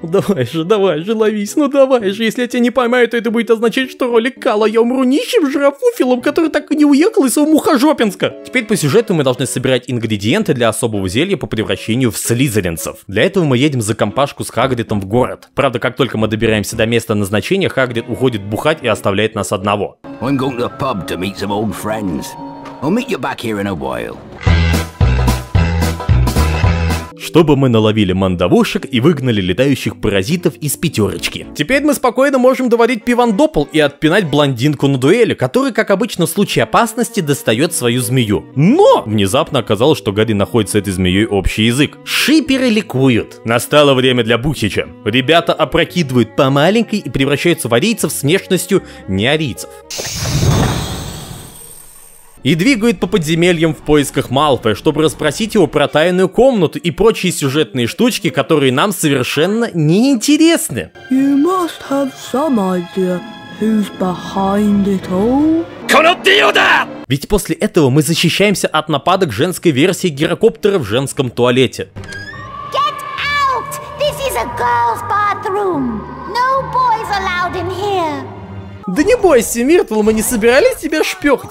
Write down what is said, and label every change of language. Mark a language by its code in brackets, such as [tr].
[ru] Давай же, ловись, ну давай же. Если я тебя не поймаю, то это будет означать, что ролик кала, я умру нищим жирафуфилом, который так и не уехал из своего мухожопинска. Теперь по сюжету мы должны собирать ингредиенты для особого зелья по превращению в слизеринцев. Для этого мы едем за компашку с Хагридом в город. Правда, как только мы добираемся до места назначения, Хагрид уходит бухать и оставляет нас одного. [en] I'm going to the pub to meet some old friends. I'll meet you back here in a while. [ru] Чтобы мы наловили мандавушек и выгнали летающих паразитов из пятерочки. Теперь мы спокойно можем доварить пивандопол и отпинать блондинку на дуэли, который, как обычно, в случае опасности достает свою змею. Но! Внезапно оказалось, что Гарри находит с этой змеей общий язык. Шиперы ликуют. Настало время для Бухича. Ребята опрокидывают по маленькой и превращаются в арийцев с внешностью неарийцев. И двигает по подземельям в поисках Малфоя, чтобы расспросить его про тайную комнату и прочие сюжетные штучки, которые нам совершенно не интересны. [en] You must have some idea who's behind it all. [ru] Конотиода! Ведь после этого мы защищаемся от нападок женской версии гирокоптера в женском туалете. [en] Get out! This is a girl's bathroom. No boys allowed in here. [ru] Да не бойся, Миртл, мы не собирались тебя шпёхать.